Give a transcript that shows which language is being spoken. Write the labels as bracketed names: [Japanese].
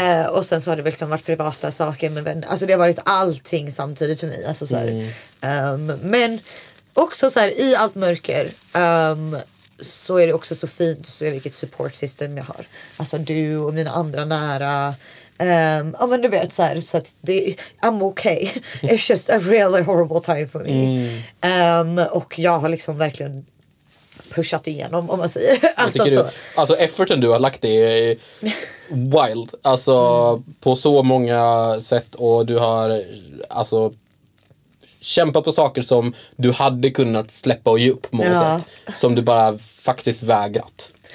[Swedish] Och sen så har det liksom varit privata saker med vänner. Alltså, det har varit allting samtidigt för mig. Alltså, så här. Men också så här, i allt mörker så är det också så fint, så är vilket support system jag har. Alltså, du och mina andra nära. Ja, men du vet, så här, så att det, [English] I'm okay. It's just a really horrible time for me. [Swedish] Och jag har liksom verkligen pushat igenom, om man säger. Alltså, efforten du har lagt är wild. Alltså, på så många sätt, och du har alltså kämpat på saker som du hade kunnat släppa och ge upp på något sätt, som du bara faktiskt vägrat.